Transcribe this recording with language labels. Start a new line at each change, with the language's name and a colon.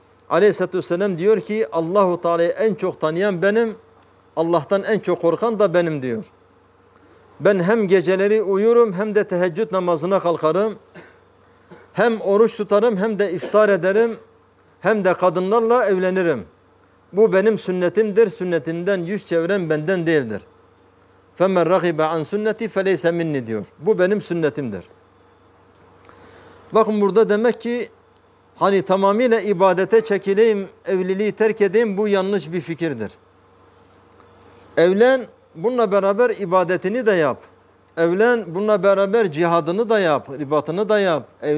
Turkish: Aleyhisselatü Vesselam diyor ki Allahu Teala'yı en çok tanıyan benim, Allah'tan en çok korkan da benim diyor. Ben hem geceleri uyurum hem de teheccüd namazına kalkarım. Hem oruç tutarım hem de iftar ederim. Hem de kadınlarla evlenirim. Bu benim sünnetimdir. Sünnetimden yüz çeviren benden değildir.
Arabic: فَمَنْ رَغِبَ عَنْ سُنَّتِ فَلَيْسَ مِنِّي
Turkish: diyor. Bu benim sünnetimdir. Bakın burada demek ki hani tamamıyla ibadete çekileyim, evliliği terk edeyim bu yanlış bir fikirdir. Evlen, bununla beraber ibadetini de yap. Evlen, bununla beraber cihadını da yap, ribatını da yap.